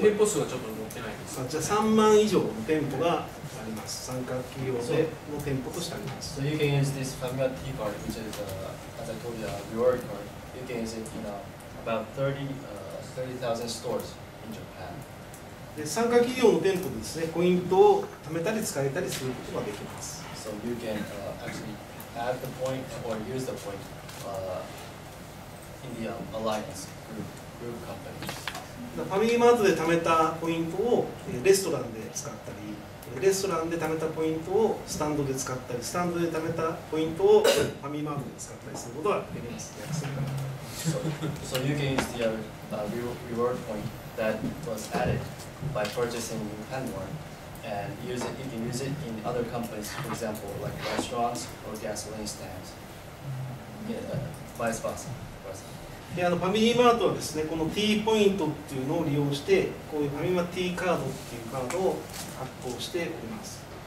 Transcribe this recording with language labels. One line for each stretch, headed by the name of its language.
Japanese: 店舗数はちょっと載ってないですじゃあ3万以上の店舗があります参加企業での店舗としてあります
English: So you can use this Famiga T card which is as I told you a reward card You can use it in about 30,000 stores in Japan
Japanese: で参加企業の店舗でですねポイントを貯めたり使えたりすることができます
English: So you can actuallyAdd the point or use the point in the alliance group companies.
Japanese: The Family Mart で貯めたポイントをレストランで使ったり、レストランで貯めたポイントをスタンドで使ったり、スタンドで貯めたポイントをファミリーマートで使ったりすることはできます。
English: So you can use the reward point that was added by purchasing in Penmore. And use it, you can use it in other companies, for example, like restaurants or gasoline stands. Vice versa.
Japanese: で、あのファミリーマートはですね、この T ポイントっていうのを利用して、こういうファミマ T カードっていうカードを発行しております。